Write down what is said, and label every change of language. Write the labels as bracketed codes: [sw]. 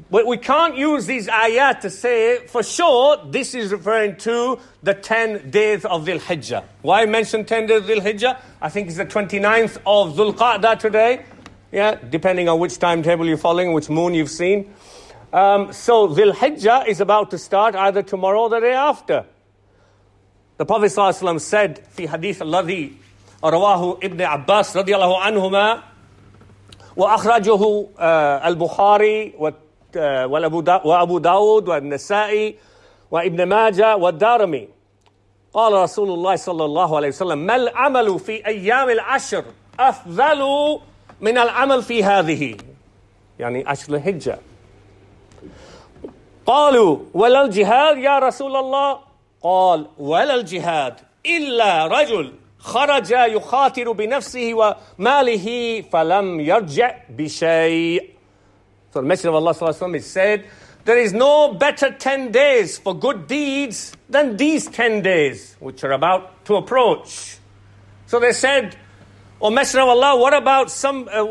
[en] But we can't use these ayat to say, for sure, this is referring to the 10 days of Dhul Hijjah. Why mention 10 days of Dhul Hijjah? I think it's the 29th of Dhul Qa'dah today. Yeah, depending on which timetable you're following, which moon you've seen. So Dhul Hijjah is about to start either tomorrow or the day after. The Prophet ﷺ said, [ar] في حديث الذي رواه ابن عباس رضي الله عنهما وأخرجه البخاري وأبو داود والنسائي وابن ماجة والدارمي. قال رسول الله صلى الله عليه وسلم: ما العمل في أيام العشر أفضل من العمل في هذه؟ يعني عشر الحجة. قالوا: ولا الجهاد يا رسول الله؟ قال: ولا الجهاد إلا رجل خرج يخاطر بنفسه وماله فلم يرجع بشيء. [en] So the Messenger of Allah [ar] صلى الله عليه وسلم [en] said, there is no better 10 days for good deeds than these 10 days, which are about to approach. So they said, O Messenger of Allah, what about some...